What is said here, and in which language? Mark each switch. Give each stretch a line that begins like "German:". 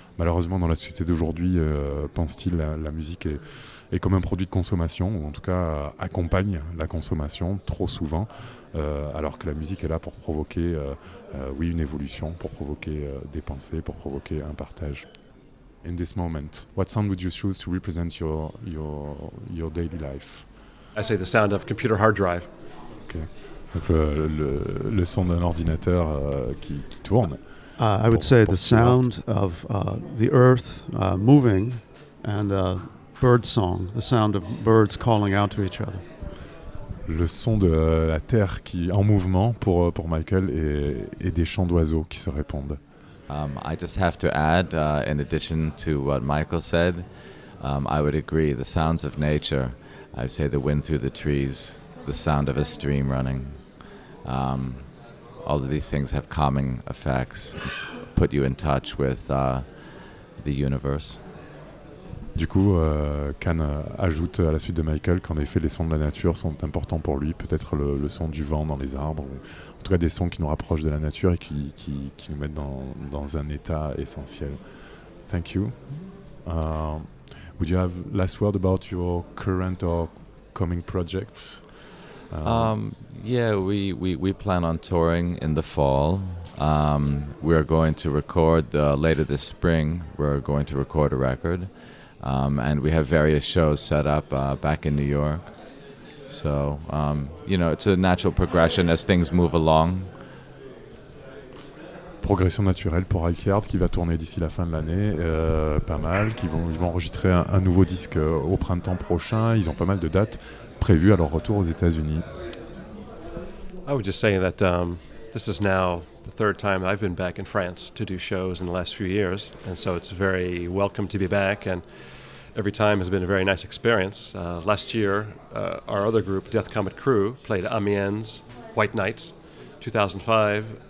French: Malheureusement, dans la société d'aujourd'hui, pense-t-il, la musique est comme un produit de consommation, ou en tout cas accompagne la consommation trop souvent, alors que la musique est là pour provoquer une évolution, pour provoquer des pensées, pour provoquer un partage.
English: In this moment, what sound would you choose to represent your daily life? I say the sound of computer hard drive.
French: Okay. Donc le son d'un ordinateur qui tourne.
English: I would say the sound of the earth moving and bird song, the sound of birds calling out to each other.
French: Le son de la terre qui en mouvement pour Michael et des chants d'oiseaux qui se répondent.
English: I just have to add, in addition to what Michael said, I would agree, the sounds of nature, I would say the wind through the trees, the sound of a stream running, all of these things have calming effects, put you in touch with the universe.
French: Du coup, Can ajoute à la suite de Michael qu'en effet, les sons de la nature sont importants pour lui, peut-être le son du vent dans les arbres, ou en tout cas des sons qui nous rapprochent de la nature et qui nous mettent dans un état essentiel.
English: Thank you. Would you have last word about your current or coming projects? We plan on touring in the fall. We are going to record later this spring. We're going to record a record. And we have various shows set up back in New York. So, it's a natural progression as things move along.
French: Progression naturelle pour Alkyard qui va tourner d'ici la fin de l'année, pas mal. Ils vont enregistrer un nouveau disque au printemps prochain. Ils ont pas mal de dates prévues à leur retour aux États-Unis.
English: I would just say that this is now the third time I've been back in France to do shows in the last few years, and so it's very welcome to be back. And every time has been a very nice experience. Last year, our other group, Death Comet Crew, played Amiens, White Nights, 2005.